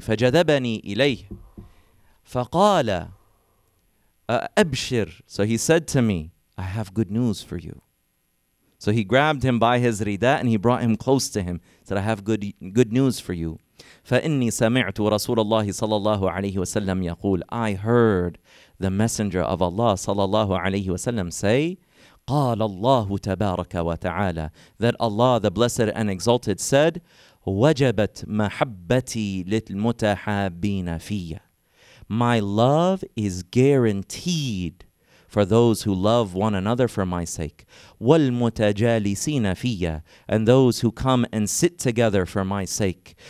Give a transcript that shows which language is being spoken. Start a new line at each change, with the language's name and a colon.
Arabic: فَجَذَبَنِي إِلَيْهِ. فَقَالَ أَبْشِرْ.
English: So he said to me, I have good news for you. So he grabbed him by his rida and he brought him close to him. Said, I have good news for you.
Arabic: فَإِنِّي سَمِعْتُ رَسُولَ اللَّهِ صَلَى اللَّهُ عَلَيْهِ وَسَلَّمْ يَقُولُ.
English: I heard the Messenger of Allah
Arabic: صلى الله عليه وسلم
English: say,
Arabic: قَالَ اللَّهُ تَبَارَكَ وَتَعَالَى.
English: That Allah, the Blessed and Exalted, said,
Arabic: وَجَبَتْ مَحَبَّتِي لِلْمُتَحَابِينَ فِيَّ.
English: My love is guaranteed for those who love one another for my sake.
Arabic: والمتجالسين فيا,
English: and those who come and sit together for my sake.